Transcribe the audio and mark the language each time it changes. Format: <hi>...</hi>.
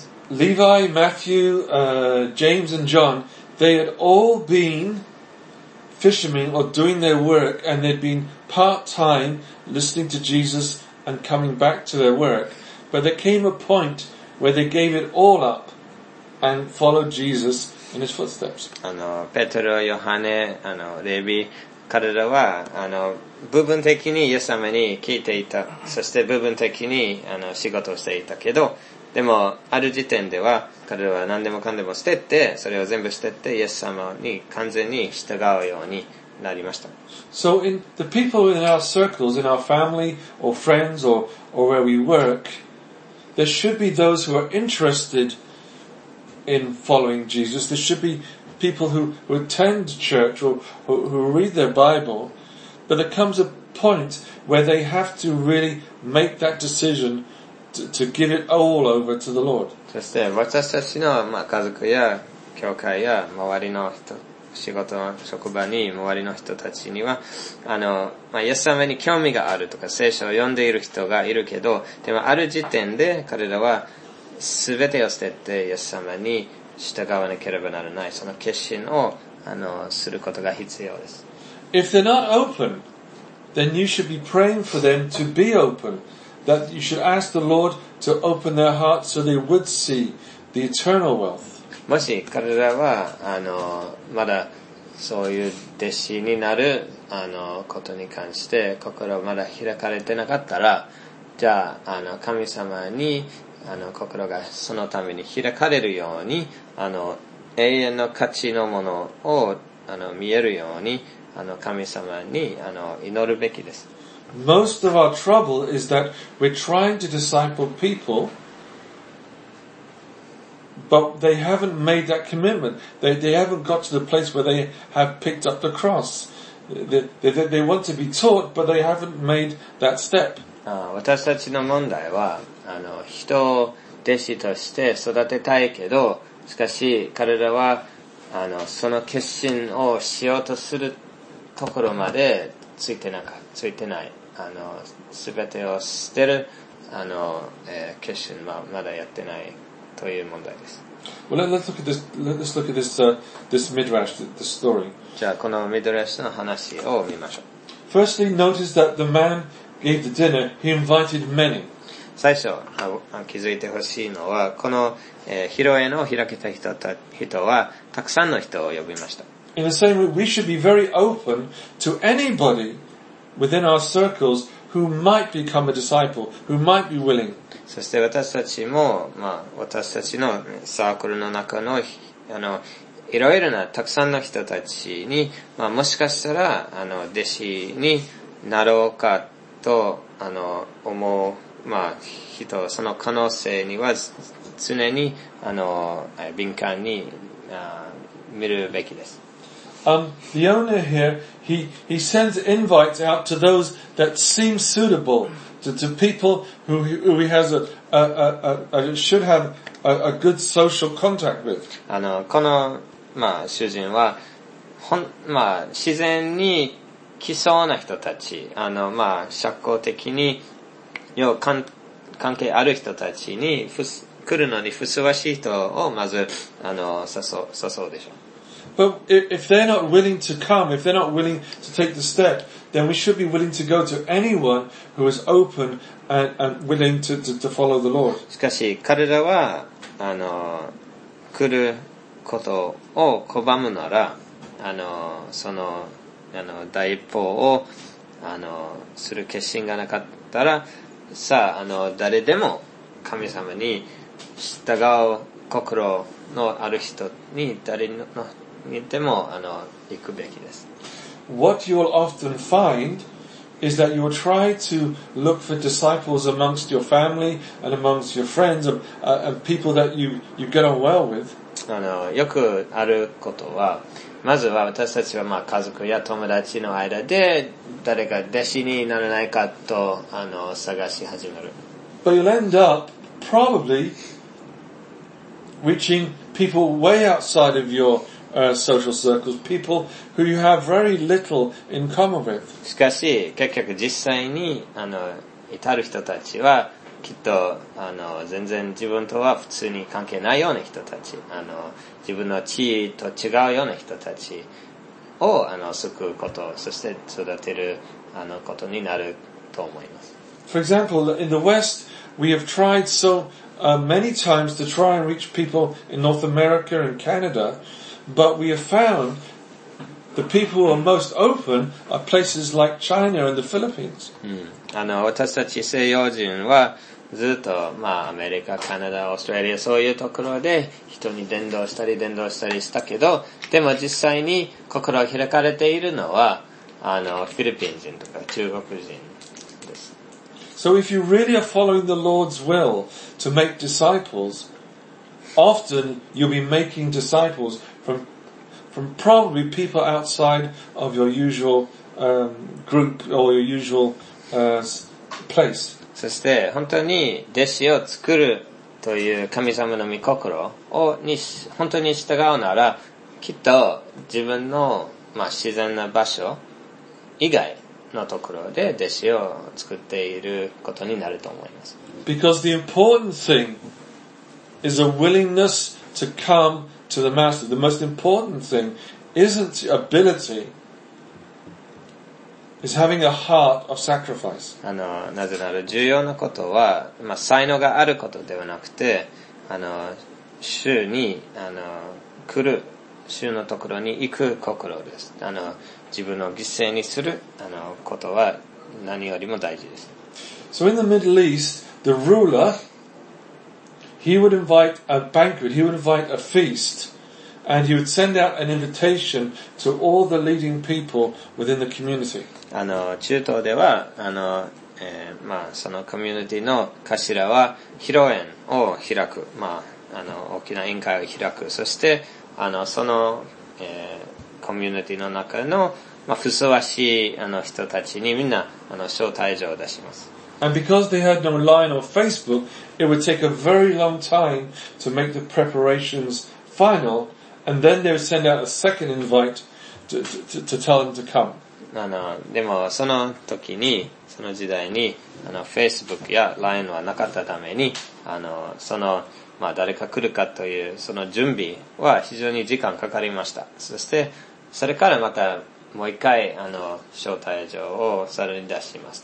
<en>Levi, Matthew, James and John, they had all been fishermen or doing their work and they'd been part-time listening to Jesus and coming back to their work. But there came a point where they gave it all up and followed Jesus in his footsteps.</en> <ja>あの、ペテロ、ヨハネ、あの、レビ、彼らはあの部分的にイエス様に聞いていた、そして部分的にあの仕事をしていたけど、でもある時点では彼らは何でもかんでも捨てて、それを全部捨ててイエス様に完全に従うようになりました。</ja> <en>So in the people in our circles, in our family or friends or where we work, there should be those who are interested in following Jesus. There should be people who attend church or who read their Bible. But there comes a point where they have to really make that decision to give it all over to the Lord.</en> <ja>そして私たちの、まあ、家族や教会や周りの人、仕事、職場に周りの人たちには、あの、まあ、イエス様に興味があるとか聖書を読んでいる人がいるけど、でもある時点で彼らは全てを捨ててイエス様に従わなければならない。その決心をあのすることが必要です。</ja> <en>If they're not open, then you should be praying for them to be open. That you should ask the Lord to open their hearts so they would see the eternal wealth.</en> <ja>もし彼らはあのまだそういう弟子になるあのことに関して心まだ開かれてなかったら、じゃあ、あの神様にあの心がそのために開かれるように、あの永遠の価値のものをあの見えるように、あの神様にあの祈るべきです。</ja> <en>Most of our trouble is that we're trying to disciple people but they haven't made that commitment. They haven't got to the place where they have picked up the cross. They want to be taught but they haven't made that step.</en> <ja>私たちの問題はあの人を弟子として育てたいけど、しかし彼らはあのその決心をしようとするところまでついてなかついてない、あの全てを捨てるあの、決心はまだやってないという問題です。</ja> <en>Well, let's look at this, let's look at this,、this midrash, this story.</en> <ja>じゃあこのミドラシの話を見ましょう。</ja> <en>Firstly, notice that the man gave the dinner, he invited many.</en> <ja>最初気づいてほしいのはこの、披露宴を開けた 人はたくさんの人を呼びました。</ja> <en>In the same way, we should be very open to anybody within our circles who might become a disciple, who might be willing.</en> <ja>そして私たちも、まあ、私たちのサークルの中の、あの、いろいろなたくさんの人たちに、まあ、もしかしたら、あの、弟子になろうかと、あの、思う、まあ、人、その可能性には常に、あの、敏感に、見るべきです。</ja> <en>The owner here, he sends invites out to those that seem suitable to people who he has a should have a good social contact with.</en> <ja>あのこのまあ主人はほんまあ自然に来そうな人たち、あのまあ社交的によう関係ある人たちに来るのにふさわしい人をまずあの誘うでしょう。</ja> <en>But if they're not willing to come, if they're not willing to take the step, then we should be willing to go to anyone who is open and willing to follow the Lord.</en> <ja>しかし彼らはあの来ることを拒むなら、あのそのあの第一歩をあのする決心がなかったら、さあ、あの誰でも神様に従う心のある人に誰のでもあの行くべきです。</ja> <en>What you will often find is that you will try to look for disciples amongst your family and amongst your friends and people that you get on well with.</en> <ja>あのよくあることは、まずは私たちはまあ家族や友達の間で誰か弟子にならないかとあの探し始める。</ja> <en>But you'll end up probably reaching people way outside of yoursocial circles, people who you have very little in common with.</en> <ja>しかし、結局実際に、あの、至る人たちは、きっと、あの、全然自分とは普通に関係ないような人たち、あの、自分の地位と違うような人たちを、あの、救うこと、そして育てる、あの、ことになると思います。</ja> <en>For example, in the West, we have tried so many times to try and reach people in North America and Canada,But we have found the people who are most open are places like China and the Philippines.、</en> <ja>うん、あの私たち西洋人はずっと、まあ、アメリカ、カナダ、オーストラリア、そういうところで人に伝道したり伝道したりしたけど、でも実際に心を開かれているのはあのフィリピン人とか中国人です。</ja> <en>So if you really are following the Lord's will to make disciples, often you'll be making disciples. From probably people outside of your usual group or your usual place.</en> <ja>そして本当に弟子を作るという神様の御心をに本当に従うならきっと自分の、まあ、自然な場所以外のところで弟子を作っていることになると思います。</ja> <en>Because the important thing is a willingness to comeTo the master, the most important thing isn't ability, is having a heart of sacrifice.</en> <ja>あの、なぜなら重要なことは、まあ、才能があることではなくて、あの、主に、あの、来る、主のところに行く心です。あの、自分を犠牲にする、あの、ことは何よりも大事です。</ja> <en>So in the Middle East, the ruler He would invite a banquet, he would invite a feast, and he would send out an invitation to all the leading people within the community.</en> <ja>あの、中東では、あの、まあ、そのコミュニティの頭は披露宴を開く、まあ、あの、大きな宴会を開く、そして、あの、その、コミュニティの中の、まあ、ふさわしい、あの、人たちにみんな、あの、招待状を出します。 And because they had no line or Facebook, it would take a very long time to make the preparations final, and then they would send out a second invite to tell them to come. あの、でもその時に、その時代に、あの、Facebook や LINE はなかったために、あの、その、まあ、誰か来るかという、その準備は非常に時間かかりました。そして、それからまた、もう一回、あの、招待状をさらに出します。</ja>